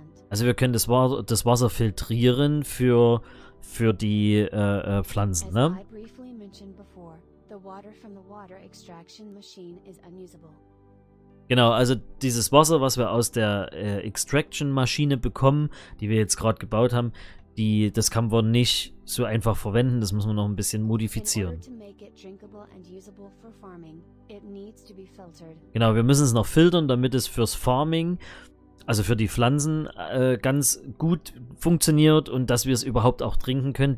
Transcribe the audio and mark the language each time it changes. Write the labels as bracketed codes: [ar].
[de] Also wir können das Wasser filtrieren für die Pflanzen, ne? [en] As I briefly mentioned before, the water from the water extraction machine is unusable. [de] Genau, also dieses Wasser, was wir aus der Extraction-Maschine bekommen, die wir jetzt gerade gebaut haben, das kann man nicht so einfach verwenden, das muss man noch ein bisschen modifizieren. [en] In order to make it drinkable and usable for farming, it needs to be filtered. [de] Genau, wir müssen es noch filtern, damit es fürs Farming, also für die Pflanzen, ganz gut funktioniert und dass wir es überhaupt auch trinken können.